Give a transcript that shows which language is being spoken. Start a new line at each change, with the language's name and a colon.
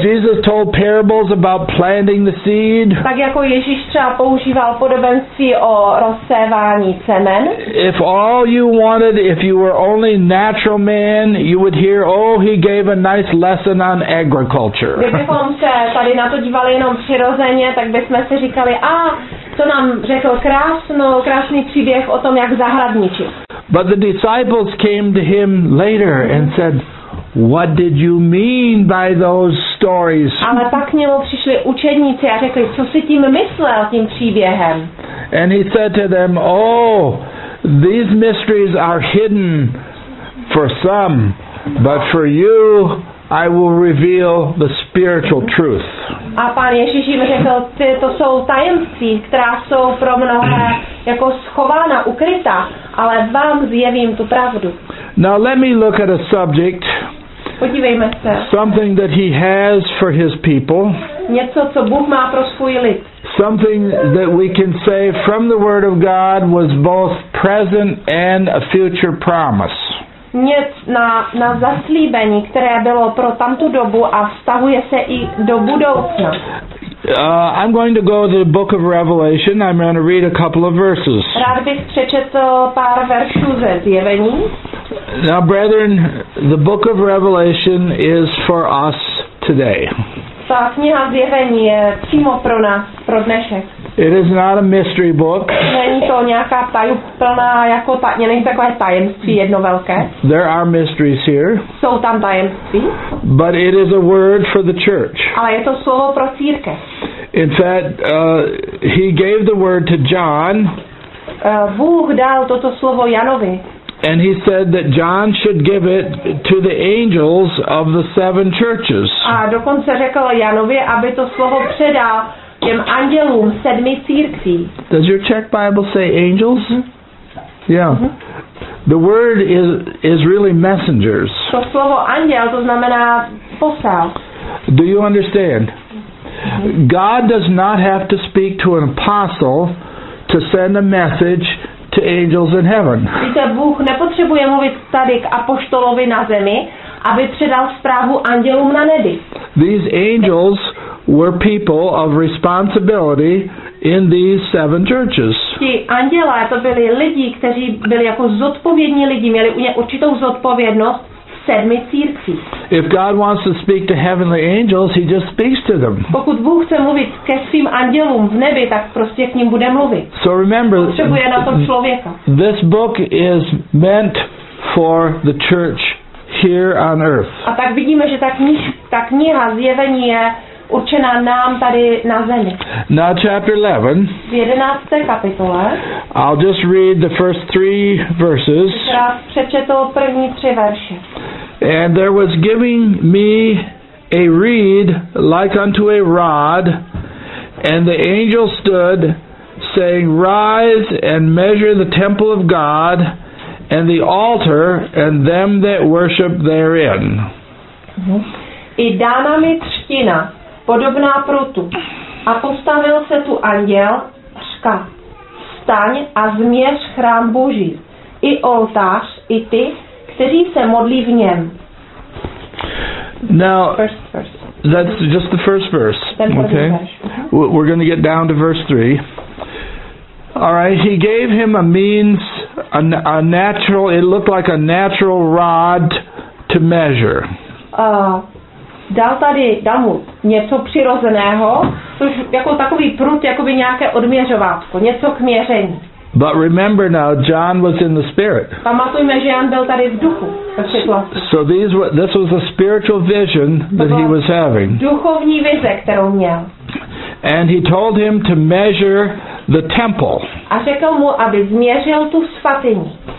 English: Jesus told parables about planting the seed.
Czech: Tak jako Ježíš třeba používal podobenství o rozsévání semen.
English: If all you wanted, if you were only natural man, you would hear, oh, he gave a nice lesson on agriculture.
Czech: Kdybychom se tady na to dívali jenom přirozeně, tak bychom si říkali, to nám řekl krásný příběh o tom, jak zahradničit.
English: But the disciples came to him later and said, what did you mean by those stories?
Czech: Ale pak k němu přišli učedníci a řekli, co si tím myslel, tím příběhem?
English: And he said to them, oh, these mysteries are hidden for some, but for you I will reveal the spiritual truth.
Czech: A pán Ježíš jim řekl, to jsou tajemství, která jsou pro mnohé jako schována, ukryta, ale vám zjevím tu pravdu.
English: Now let me look at a subject.
Czech: Podívejme se.
English: Something that he has for his people.
Czech: Něco, co Bůh má pro svůj lid.
English: Something that we can say from the word of God was both present and a future promise.
Czech: Něc na zaslíbení, které bylo pro tamtu dobu a vztahuje se i do budoucna.
English: I'm going to go to the book of Revelation. I'm going to read a couple of verses.
Czech: Rád bych přečetl pár veršů ze Zjevení.
English: Now, brethren, the book of Revelation is for us today.
Czech: Ta kniha Zjevení je přímo pro nás, pro dnešek.
English: It is not a mystery book.
Czech: Není to nějaká tajuplná jako takové tajemství jedno velké.
English: There are mysteries here.
Czech: Jsou tam tajemství.
English: But it is a word for the church.
Czech: Ale je to slovo pro církev.
English: In fact, he gave the word to John.
Czech: Bůh dal toto slovo Janovi.
English: And he said that John should give it to the angels of the seven churches.
Czech: A dokonce řekl Janovi, aby to slovo předal těm andělům sedmi církví.
English: Does your Czech Bible say angels? Mm-hmm. Yeah. Mm-hmm. The word is really messengers.
Czech: To slovo anděl to znamená posel.
English: Do you understand? Mm-hmm. God does not have to speak to an apostle to send a message to angels in heaven.
Czech: Víte, Bůh nepotřebuje mluvit tady k apoštolovi na zemi, aby předal zprávu andělům na nebi.
English: These angels were people of responsibility in these seven churches.
Czech: Ti andělé to byli lidi, kteří byli jako zodpovědní lidi, měli u ně určitou zodpovědnost v sedmi církvích.
English: If God wants to speak to heavenly angels, he just speaks to them.
Czech: Pokud Bůh chce mluvit ke svým andělům v nebi, tak prostě k ním bude mluvit.
English: So remember,
Czech: potřebuje na to člověka.
English: This book is meant for the church here on earth.
Czech: A tak vidíme, že ta kniha Zjevení je určená nám tady na zemi.
English: Now chapter 11.
Czech: V 11. kapitole.
English: I'll just read the first three verses.
Czech: Přečetl první tři verše.
English: And there was giving me a reed like unto a rod, and the angel stood, saying, rise and measure the temple of God and the altar and them that worship therein.
Czech: I dána mi třtina podobná prutu. A postavil se tu anděl, říká, staň a změř chrám Boží, i oltář, i ty, kteří se modlí v něm.
English: Now, that's just the first verse, okay? We're going to get down to verse 3. All right, he gave him a means, a natural, it looked like a natural rod to measure.
Czech: Dal tady, dal mu něco přirozeného, což jako takový prut, jako by nějaké odměřovátko, něco k měření.
English: But remember now, John was in the spirit.
Czech: Pamatujme, že Jan byl tady v duchu.
English: So these were, this was a spiritual vision that he was having.
Czech: Duchovní vize, kterou měl.
English: And he told him to measure the temple.
Czech: A řekl mu, aby změřil tu svatyni.